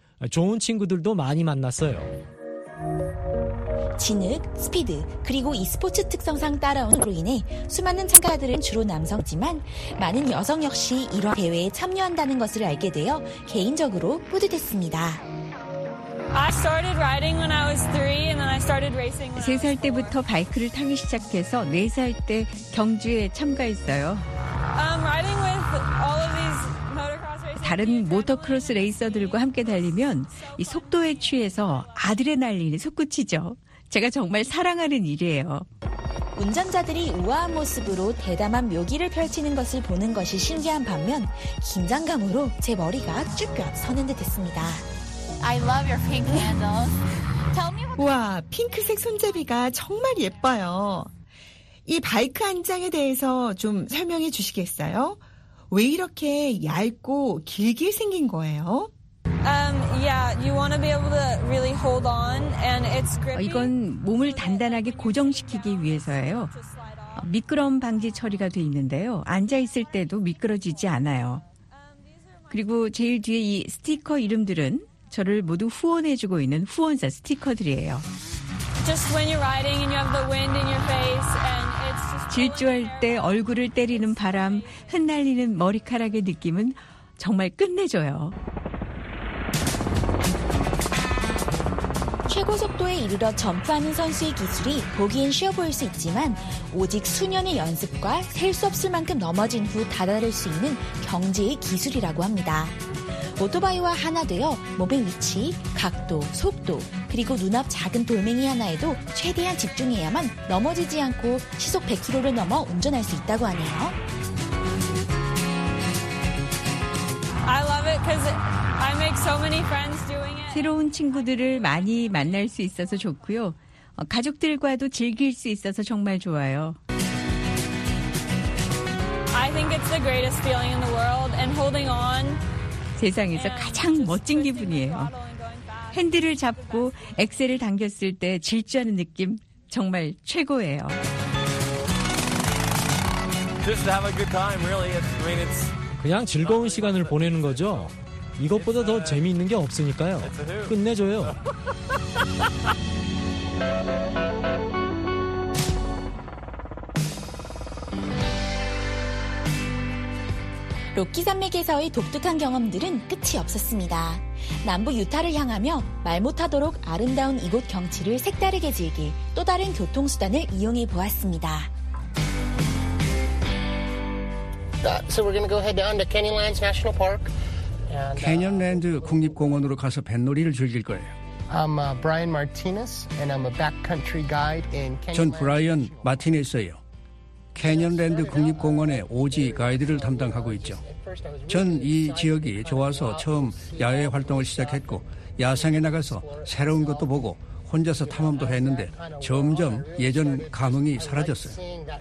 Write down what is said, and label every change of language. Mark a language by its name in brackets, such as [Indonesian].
[Korean] 좋은 친구들도 많이 만났어요. 진흙, 스피드, 그리고 e스포츠 특성상 따라오는으로 인해 수많은 참가자들은 주로 남성이지만 많은 여성 역시 이러한 대회에 참여한다는 것을 알게 되어 개인적으로 뿌듯했습니다. [English] I started riding when I was 3 and then I started racing when [Korean] 3살 때부터 바이크를 타기 시작해서 4살 때 경주에 참가했어요. [English] Riding with all of these [Korean] 다른 모터크로스 레이서들과 함께 달리면 이 속도에 취해서 아드레날린이 솟구치죠. 제가 정말 사랑하는 일이에요. 운전자들이 우아한 모습으로 대담한 묘기를 펼치는 것을 보는 것이 신기한 반면 긴장감으로 제 머리가 쭉 서는 듯 했습니다. [English] I love your pink handles. Tell me what... [Korean] 우와, 핑크색 손잡이가 정말 예뻐요. 이 바이크 안장에 대해서 좀 설명해 주시겠어요? 왜 이렇게 얇고 길게 생긴 거예요? [English] Yeah, you want to be able to really hold on and it's grippy. [Korean] 이건 몸을 단단하게 고정시키기 위해서예요. 미끄럼 방지 처리가 돼 있는데요. 앉아 있을 때도 미끄러지지 않아요. 그리고 제일 뒤에 이 스티커 이름들은 저를 모두 후원해 주고 있는 후원사 스티커들이에요. [English] Just when you're riding and you have the wind in your face and [Korean] 질주할 때 얼굴을 때리는 바람, 흩날리는 머리카락의 느낌은 정말 끝내줘요. 최고 속도에 이르러 점프하는 선수의 기술이 보기엔 쉬워 보일 수 있지만 오직 수년의 연습과 셀 수 없을 만큼 넘어진 후 다다를 수 있는 경지의 기술이라고 합니다. 오토바이와 하나 되어 몸의 위치, 각도, 속도, 그리고 눈앞 작은 돌멩이 하나에도 최대한 집중해야만 넘어지지 않고 시속 100km를 넘어 운전할 수 있다고 하네요. [English] I love it because I make so many friends doing it. [Korean] 새로운 친구들을 많이 만날 수 있어서 좋고요. 가족들과도 즐길 수 있어서 정말 좋아요. [English] think it's the greatest feeling in the world and holding on. [Korean] 세상에서 가장 멋진 기분이에요. 핸들을 잡고 엑셀을 당겼을 때 질주하는 느낌 정말 최고예요. [English] Just have a good time, really. It's [Korean] 그냥 즐거운 시간을 보내는 거죠. 이것보다 더 재미있는 게 없으니까요. 끝내줘요. 로키 산맥에서의 독특한 경험들은 끝이 없었습니다. 남부 유타를 향하며 말 못하도록 아름다운 이곳 경치를 색다르게 즐길 또 다른 교통수단을 이용해 보았습니다. [English] So we're going to go head down to Canyonlands National Park. [Korean] Canyonland 국립공원으로 가서 뱃놀이를 즐길 거예요. [English] I'm Brian Martinez and I'm a backcountry guide in Canyonlands. [Korean] 전 브라이언 마티네스예요. 캐년랜드 국립공원의 오지 가이드를 담당하고 있죠. 전 이 지역이 좋아서 처음 야외 활동을 시작했고 야생에 나가서 새로운 것도 보고 혼자서 탐험도 했는데 점점 예전 감흥이 사라졌어요.